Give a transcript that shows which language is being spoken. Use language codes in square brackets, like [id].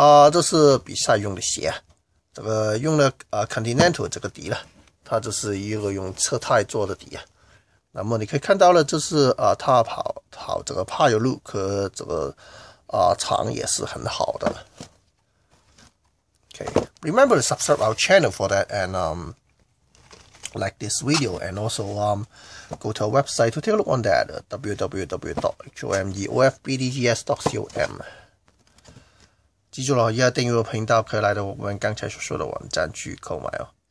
[zh] 這是比賽用的鞋，這個用了Continental 這個底啦。它就是一个用侧钛做的底啊，那么你可以看到了，就是它跑这个柏油路和这个长也是很好的。 [en] Okay, remember to subscribe our channel for that and like this video and also go to our website to take a look on that www.homeofbadges.com。 [zh] 记住了，要订阅频道，可以来到我们刚才所说的网站去购买哦。